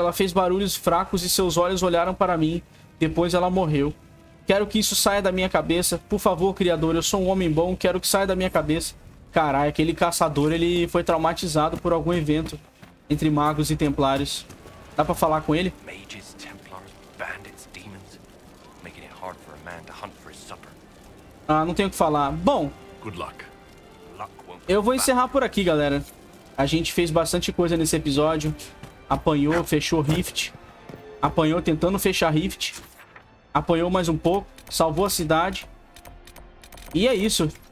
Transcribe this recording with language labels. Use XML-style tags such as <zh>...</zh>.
<pt>Ela fez barulhos fracos e seus olhos olharam para mim. Depois ela morreu. Quero que isso saia da minha cabeça. Por favor, criador. Eu sou um homem bom. Quero que saia da minha cabeça. Caralho, aquele caçador, ele foi traumatizado por algum evento entre magos e templários. Dá pra falar com ele?</pt> <en>Mages, Templars, bandits, demons. Making it hard for a man to hunt for his supper.</en> <pt>Ah, não tenho o que falar. Bom,</pt> <en>good luck.</en> <pt>Eu vou encerrar por aqui, galera. A gente fez bastante coisa nesse episódio. Apanhou, fechou Rift. Apanhou tentando fechar Rift. Apanhou mais um pouco. Salvou a cidade. E é isso.</pt>